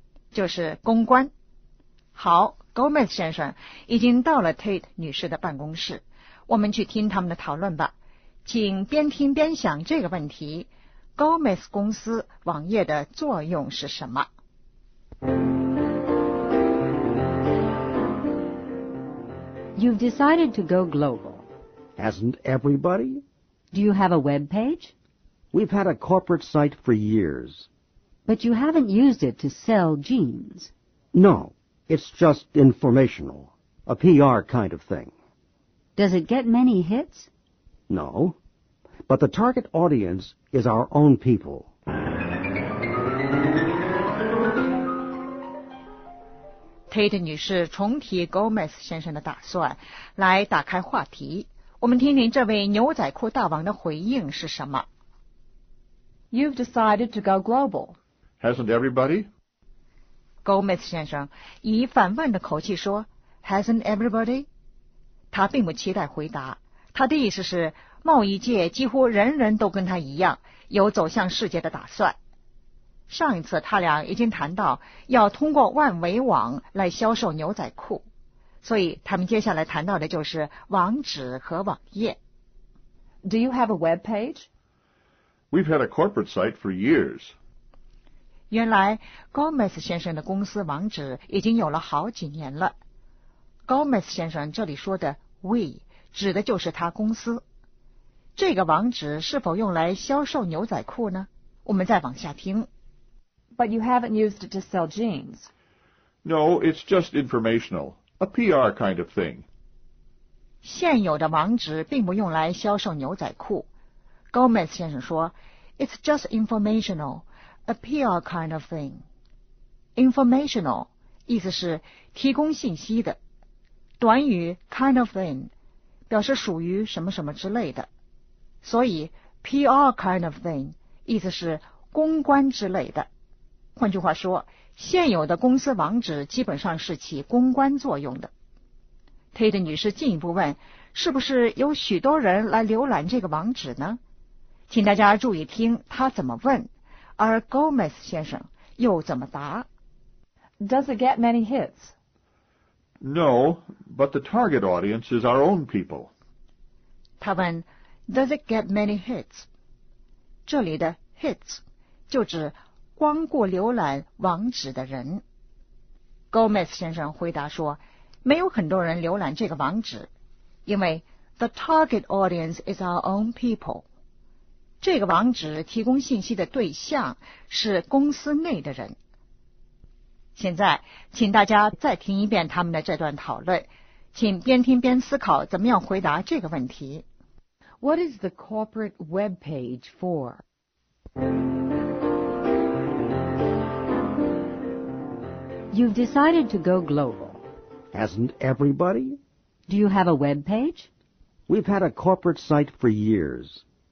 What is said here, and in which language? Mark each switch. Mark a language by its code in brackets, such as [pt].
[zh] 就是公关。好， Gomez 先生已经到了 Tate 女士的办公室，我们去听他们的讨论吧。请边听边想这个问题， Gomez 公司网页的作用是什么？ [en] You've decided to go global. Hasn't everybody? Do you have a web page? We've had a corporate site for years. But you haven't used it to sell jeans. No, it's just informational, a PR kind of thing. Does it get many hits? No, but the target audience is our own people. [zh] Tate 女士重提 Gomez 先生的打算，来打开话题。我们听听这位牛仔裤大王的回应是什么。 [en] You've decided to go global. Hasn't everybody? [zh] Gomez 先生以反问的口气说 [en] Hasn't everybody? [zh] 他并不期待回答，他的意思是贸易界几乎人人都跟他一样有走向世界的打算。上一次他俩已经谈到要通过万维网来销售牛仔裤，所以他们接下来谈到的就是网址和网页。 [en] Do you have a web page? We've had a corporate site for years. [zh] 原来 Gomez 先生的公司网址已经有了好几年了。 Gomez 先生这里说的 we 指的就是他公司。这个网址是否用来销售牛仔裤呢？我们再往下听。 [en] But you haven't used it to sell jeans. No, it's just informational, a PR kind of thing. [zh] 现有的网址并不用来销售牛仔裤。 [en] Gomez [zh] 先生说 [en] It's just informational,A PR kind of thing. [zh] Informational, 意思是提供信息的。短语 kind of thing, 表示属于什么什么之类的。所以 PR kind of thing, 意思是公关之类的。换句话说，现有的公司网址基本上是起公关作用的。 Tate 女士进一步问，是不是有许多人来浏览这个网址呢？请大家注意听她怎么问。而 Gomez 先生又怎么答 [en] ？Does it get many hits? No, but the target audience is our own people. [zh] 他问 [en] ，Does it get many hits? [zh] 这里的 hits 就指光顾浏览网址的人。 Gomez 先生回答说，没有很多人浏览这个网址，因为 [en] the target audience is our own people. [zh] 这个网址提供信息的对象是公司内的人。现在请大家再听一遍他们的这段讨论，请边听边思考怎么样回答这个问题。 [en] What is the corporate web page for? You've decided to go global. Hasn't everybody? Do you have a web page? We've had a corporate site for years.